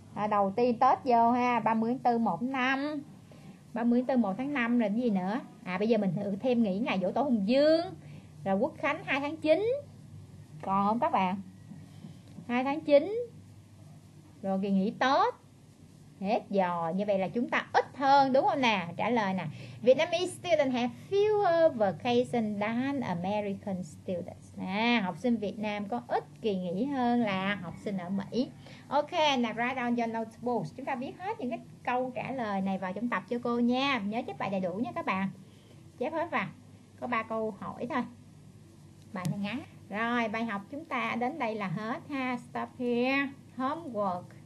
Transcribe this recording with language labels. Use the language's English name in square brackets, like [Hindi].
[Vietnamese] Đầu tiên Tết vô ha, 30 tháng 4 1 tháng 5 rồi cái gì nữa? Bây giờ mình thử thêm nghỉ ngày Dỗ Tổ Hùng Vương, rồi Quốc Khánh 2 tháng 9. Còn không các bạn? 2 tháng 9 rồi kỳ nghỉ Tết hết giờ, như vậy là chúng ta ít hơn đúng không nè? Trả lời nè. [English] Vietnamese students have fewer vacation than American students. [Vietnamese] Học sinh Việt Nam có ít kỳ nghỉ hơn là học sinh ở Mỹ. [English] Ok, now write down your notebooks. [Vietnamese] Chúng ta viết hết những cái câu trả lời này vào trong tập cho cô nha. Nhớ chép bài đầy đủ nha các bạn. Chép hết vào. Có 3 câu hỏi thôi. Bài này ngắn. Rồi, bài học chúng ta đến đây là hết ha. [English] Stop here. [Vietnamese] Homework.